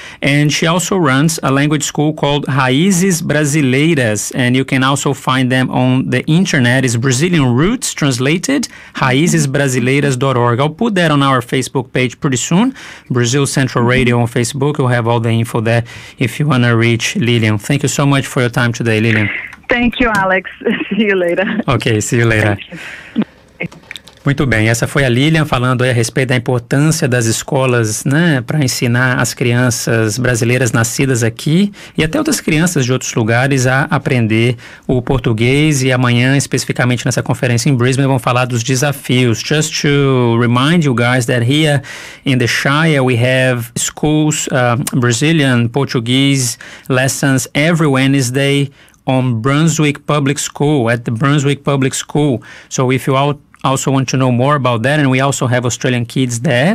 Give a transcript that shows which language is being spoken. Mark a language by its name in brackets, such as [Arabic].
[English] And she also runs a language school called Raízes Brasileiras, and you can also find them on the internet. It's Brazilian Roots translated, raízesbrasileiras.org. I'll put that on our Facebook page pretty soon. Brazil Central Radio on Facebook. You'll have all the info there if you want to reach Lilian. Thank you so much for your time today, Lilian. Thank you, Alex. See you later. Okay, see you later. [Portuguese] Muito bem, essa foi a Lilian falando aí a respeito da importância das escolas, né, para ensinar as crianças brasileiras nascidas aqui e até outras crianças de outros lugares a aprender o português. E amanhã, especificamente nessa conferência em Brisbane, vão falar dos desafios. [English] Just to remind you guys that here in the Shire we have schools, Brazilian Portuguese lessons every Wednesday on Brunswick Public School, at the Brunswick Public School. So if you also want to know more about that, and we also have Australian kids there.